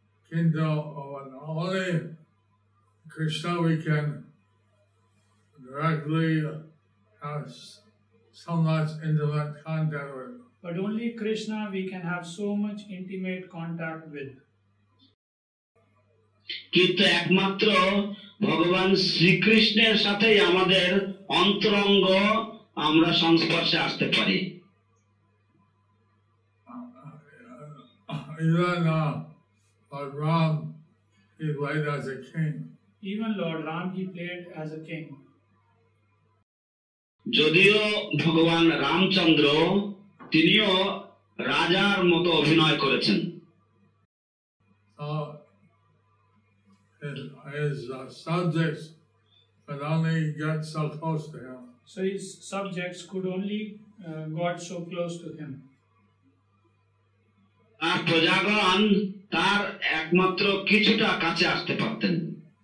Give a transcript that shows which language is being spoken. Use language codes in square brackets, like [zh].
[en] Kindle of an only Krishna we can directly have so much intimate contact with. But only Krishna we can have so much intimate contact with. [bn] কিন্তু একমাত্র ভগবান শ্রীকৃষ্ণের সাথেই আমাদের অন্তরঙ্গ আমরা সংস্পর্শে আসতে পারি. [en] Even Lord Ram, he played as a king. Even Lord Ram, he played as a king. [bn] যদিও ভগবান রামচন্দ্র তিনিও রাজার মতো অভিনয় করেছেন. [en] His subjects could only get so close to him. So his subjects could only got so close to him. [bn] Tar prajagan tar ekmatro kichuta kache aste parten.